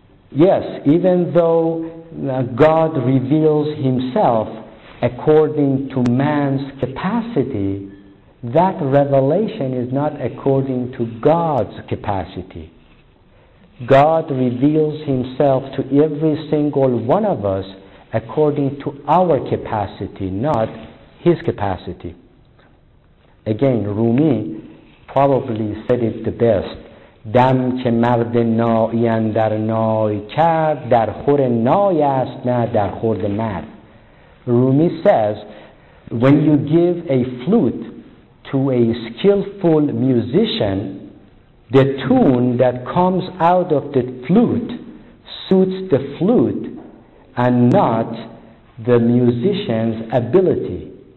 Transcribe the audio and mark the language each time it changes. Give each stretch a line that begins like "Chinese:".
English: Yes, even though God reveals himself according to man's capacity, that revelation is not according to God's capacity. God reveals himself to every single one of us according to our capacity, not his capacity. Again, Rumi probably said it the best.
Persian: دم که مرد نایی اندر نای کرد در خور نای است نه در خور مرد.
English: Rumi says, when you give a flute to a skillful musician, the tune that comes out of the flute suits the flute and not the musician's ability.